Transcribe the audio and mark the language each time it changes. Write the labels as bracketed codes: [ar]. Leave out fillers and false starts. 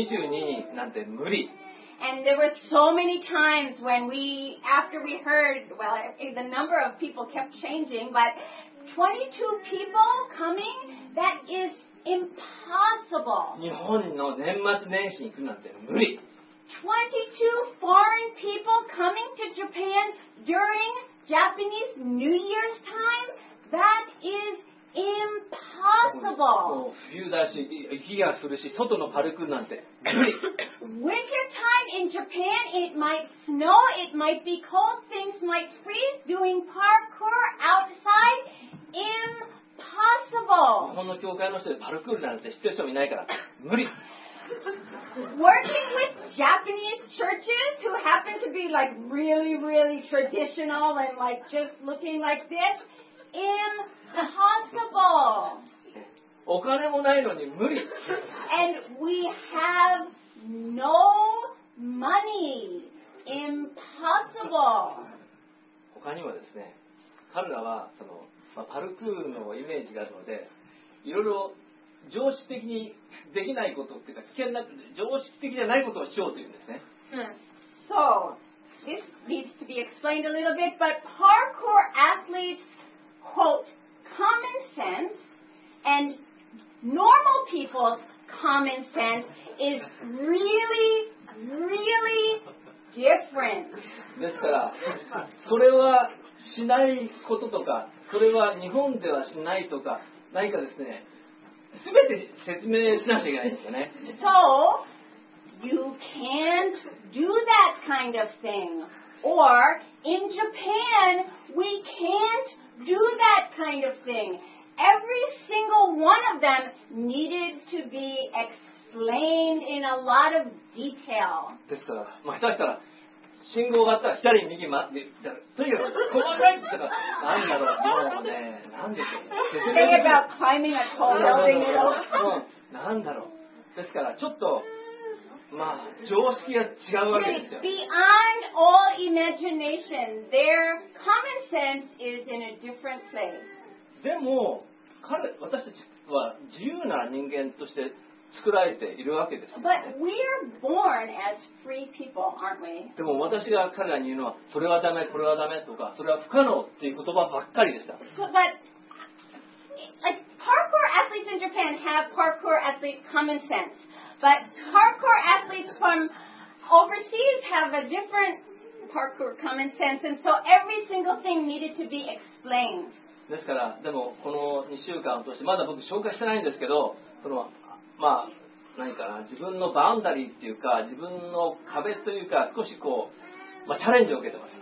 [en] And there were so many times when we, after we heard, well, the number of people kept changing, but 22 people coming, that is impossible. [ja] 日本の年末年始に行くなんて無理。 [en] 22 foreign people coming to Japan during Japanese New Year's time, that is impossible. [ja] 冬だし、雪が降るし、外のパルクールなんて無理。 [en] Winter time in Japan, it might snow, it might be cold, things might freeze. Doing parkour outside, impossible. [ja] 日本の教会の人でパルクールなんて知ってる人もいないから無理。 [en] Working with Japanese churches who happen to be like really, really traditional and like just looking like this, impossible. [ja] お金もないのに無理。 [en] And we have. No money. Impossible. [ja] 他にもですね、彼らはパルクールのイメージがあるので、いろいろ常識的にできないことっていうか危険な常識的じゃないことをしようというんですね。 [en] So this needs to be explained a little bit, but hardcore athletes quote common sense and normal people's common sense is really, really different. [ja] ですから、それはしないこととか、それは日本ではしないとか、何かですね、すべて説明しなきゃいけないんですよね。 [en] So, you can't do that kind of thing. Or, in Japan, we can't do that kind of thing. Every single one of them needed to be explained in a lot of detail. [ja] ですから、まあ、下手したら、信号があったら左に右回って、とにかく細かいって言ったら、何だろう、もうね、何でしょう。 [en] Think about climbing a tall building, you know? [ja] 何だろう。ですから、ちょっと、まあ、常識が違うわけですよ。 [en] Beyond all imagination, their common sense is in a different place. [ja] でも彼、私たちは自由な人間として作られているわけです、 [en] ね。But we are born as free people, aren't we? [ja] でも私が彼らに言うのは、それはダメ、これはダメとか、それは不可能っていう言葉ばっかりでした。 [en] So, but, like, parkour athletes in Japan have parkour athlete common sense. But parkour athletes from overseas have a different parkour common sense. And so every single thing needed to be explained. [ja] ですから、でもこの2週間を通してまだ僕紹介してないんですけど、そのまあ何かな、自分のバウンダリーっていうか自分の壁というか少しこう、まあ、チャレンジを受けてます。